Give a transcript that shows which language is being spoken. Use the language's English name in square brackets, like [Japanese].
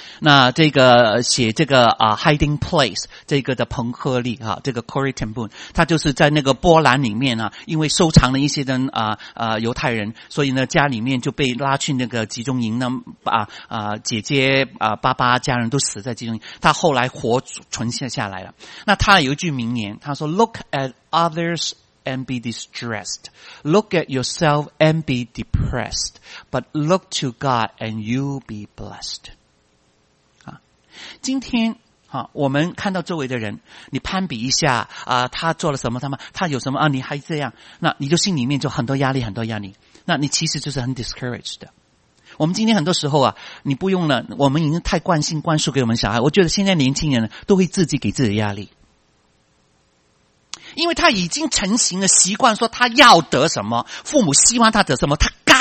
[Chinese] 那这个写这个Hiding Place 这个的彭赫利、啊、这个 Corrie ten Boom， 他就是在那个波兰里面啊，因为收藏了一些的犹太人，所以呢家里面就被拉去那个集中营呢，姐姐爸爸家人都死在集中营，他后来活存下来了。那他有一句名言，他说 [English] Look at others and be distressed, look at yourself and be depressed, but look to God and you'll be blessed。 [Chinese] 今天我们看到周围的人，你攀比一下他做了什么，他有什么你还这样，那你就心里面就很多压力，很多压力，那你其实就是很 discouraged 的。我们今天很多时候啊，你不用了，我们已经太惯性灌输给我们小孩，我觉得现在年轻人都会自己给自己压力，因为他已经成型了习惯，说他要得什么，父母希望他得什么，他该